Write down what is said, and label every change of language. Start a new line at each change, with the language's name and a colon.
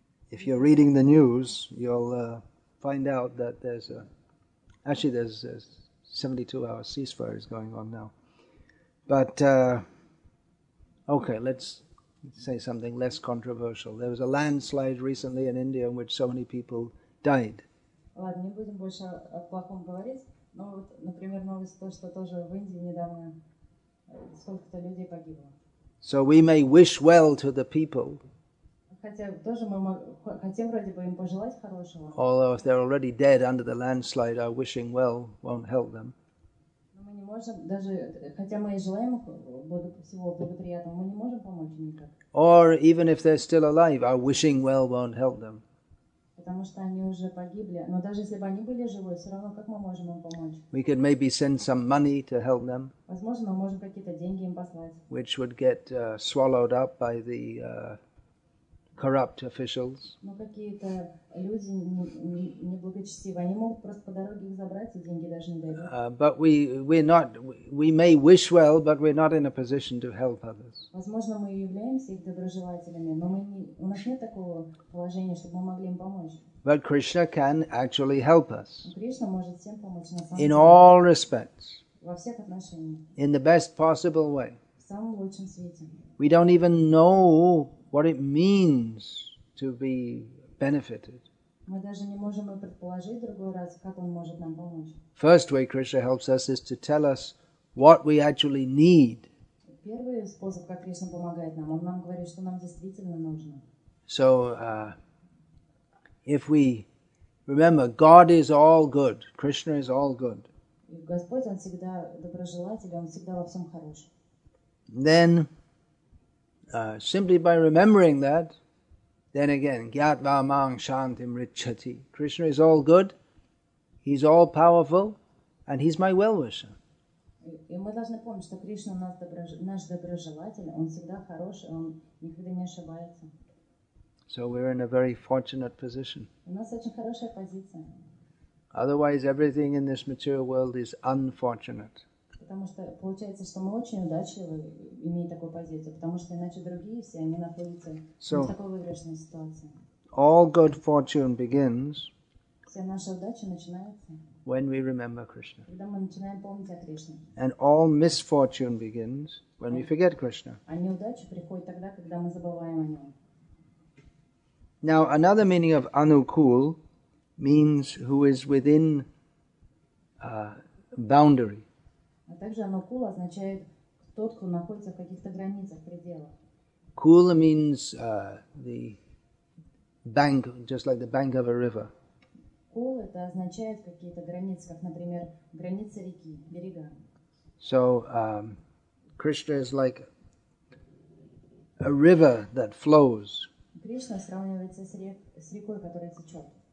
English: If you're reading the news, you'll find out that there's a 72-hour ceasefire is going on now. But, okay, let's say something less controversial. There was a landslide recently in India in which so many people died.
Russian: Ладно, не будем больше о плохом говорить. Но вот, например, новость то, что тоже в Индии недавно сколько-то людей погибло.
English: So we may wish well to the people.
Russian: Хотя тоже мы хотим вроде бы им пожелать хорошего.
English: Although if they're already dead under the landslide, our wishing well won't help them.
Russian: Мы не можем, даже хотя мы и желаем всего благоприятного, мы не можем помочь им никак.
English: Or even if they're still alive, our wishing well won't help them.
Russian: Потому что они уже погибли, но даже если бы они были живы, все равно как мы можем им помочь?
English: We could maybe send some money to help them.
Russian: Возможно, мы можем какие-то деньги им послать.
English: Which would get swallowed up by the corrupt officials.
Russian: Но какие-то люди неблагочестивые, они могут просто по дороге их забрать и деньги даже не дают.
English: But we may wish well, but we're not in a position to help others.
Russian: Возможно, мы являемся их доброжелателями, но у нас нет такого положения, чтобы мы могли им помочь.
English: But Krishna can actually help us.
Russian: Кришна может всем помочь на самом деле.
English: In all respects.
Russian: Во всех отношениях.
English: In the best possible way.
Russian: В самом лучшем свете.
English: We don't even know what it means to be benefited.
Russian: Мы даже не можем предположить другой раз, как он может нам помочь.
English: First way Krishna helps us is to tell us what we actually need.
Russian: Первый способ, как Кришна помогает нам, он нам говорит, что нам действительно нужно.
English: So, if we remember, God is all good. Krishna is all good.
Russian: Господь, он всегда доброжелатель, он всегда во всем хорош.
English: Then, simply by remembering that, then again,
Sanskrit: gyatva mang shantim richati.
English: Krishna is all good, he's all powerful, and he's my well-wisher.
Russian: И мы должны помнить, что Кришна наш доброжелатель, он всегда хороший, он никогда не ошибается.
English: So we're in a very fortunate position.
Russian: У нас очень хорошая позиция.
English: Otherwise, everything in this material world is unfortunate.
Russian: Потому что получается, что мы очень удачливы, имея такую позицию, потому что иначе другие все, они находятся в такой выигрышной ситуации.
English: All good fortune begins.
Russian: Вся наша удача начинается.
English: When we remember Krishna.
Russian: Когда мы начинаем помнить о Кришне.
English: And all misfortune begins when we forget Krishna.
Russian: А неудача приходит тогда, когда мы забываем о нем.
English: Now, another meaning of anukul means who is within boundary.
Russian: А также anukul означает тот, кто находится в каких-то границах, пределах.
English: Kul means the bank, just like the bank of a river.
Russian: Kul это означает какие-то границы, как, например, границы реки, берега.
English: So, Krishna is like a river that flows.
Russian: Кришна сравнивается с рекой, которая течет.